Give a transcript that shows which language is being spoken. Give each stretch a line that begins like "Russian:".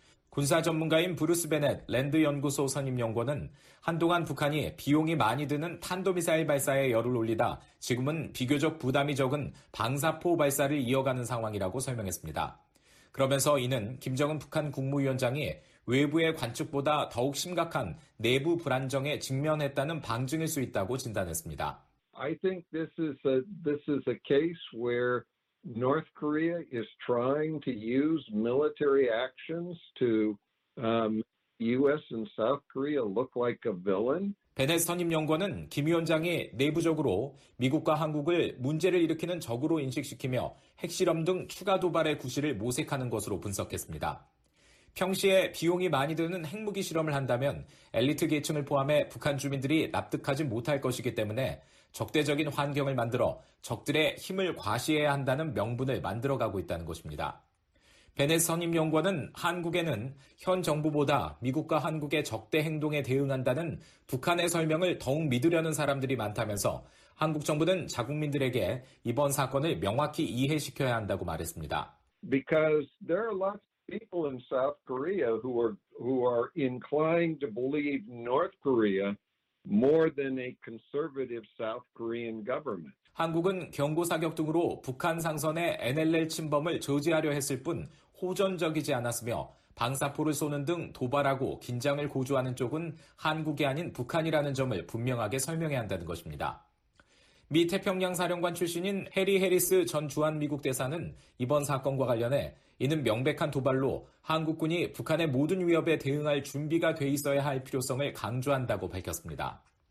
Korean: 군사 전문가인 브루스 베넷 랜드 연구소 선임 연구원은 한동안 북한이 비용이 많이 드는 탄도미사일 발사에 열을 올리다 지금은 비교적 부담이 적은 방사포 발사를 이어가는 상황이라고 설명했습니다. 그러면서 이는 김정은 북한 국무위원장이 외부의 관측보다 더욱 심각한 내부 불안정에 직면했다는 방증일 수 있다고 진단했습니다.
English: I think this is a case where North Korea is trying to use military actions to U.S. and South Korea look like a villain.
Korean: 베넷 선임연구원은 김 위원장이 내부적으로 미국과 한국을 문제를 일으키는 적으로 인식시키며 핵실험 등 추가 도발의 구실을 모색하는 것으로 분석했습니다. 평시에 비용이 많이 드는 핵무기 실험을 한다면 엘리트 계층을 포함해 북한 주민들이 납득하지 못할 것이기 때문에 적대적인 환경을 만들어 적들의 힘을 과시해야 한다는 명분을 만들어가고 있다는 것입니다. 베넷 선임 연구원은 한국에는 현 정부보다 미국과 한국의 적대 행동에 대응한다는 북한의 설명을 더욱 믿으려는 사람들이 많다면서 한국 정부는 자국민들에게 이번 사건을 명확히 이해시켜야 한다고 말했습니다.
English: Because there are lots of people in South Korea who are inclined to believe North Korea more than a conservative South Korean government.
Korean: 한국은 경고사격 등으로 북한 상선의 NLL 침범을 저지하려 했을 뿐 호전적이지 않았으며 방사포를 쏘는 등 도발하고 긴장을 고조하는 쪽은 한국이 아닌 북한이라는 점을 분명하게 설명해야 한다는 것입니다. 미 태평양 사령관 출신인 해리 해리스 전 주한미국 대사는 이번 사건과 관련해 이는 명백한 도발로 한국군이 북한의 모든 위협에 대응할 준비가 돼 있어야 할 필요성을 강조한다고 밝혔습니다.